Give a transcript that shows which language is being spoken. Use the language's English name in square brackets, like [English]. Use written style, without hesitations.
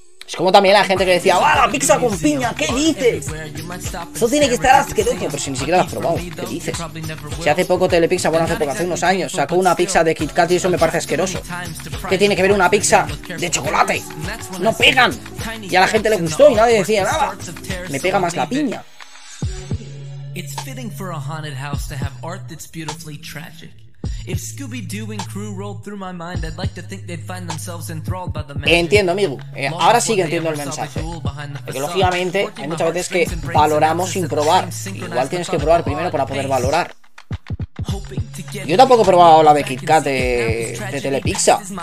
[Spanish] Es como también la gente que decía, ¡ah, la pizza con piña! ¿Qué dices? Eso tiene que estar asqueroso. Pero si ni siquiera la has probado, ¿qué dices? Si hace poco Telepizza, bueno, hace poco, hace unos años, sacó una pizza de Kit Kat y eso me parece asqueroso. ¿Qué tiene que ver una pizza de chocolate? ¡No pegan! Y a la gente le gustó y nadie decía nada. Me pega más la piña. [English] It's fitting for a haunted house to have art that's beautifully tragic. If Scooby-Doo and crew rolled through my mind, I'd like to think they'd find themselves enthralled by the message. [Spanish] Entiendo, amigo. Ahora sí que entiendo el mensaje. Porque lógicamente hay muchas veces que valoramos sin probar. Igual tienes que probar primero para poder valorar. Yo tampoco he probado la de Kit Kat de Telepizza.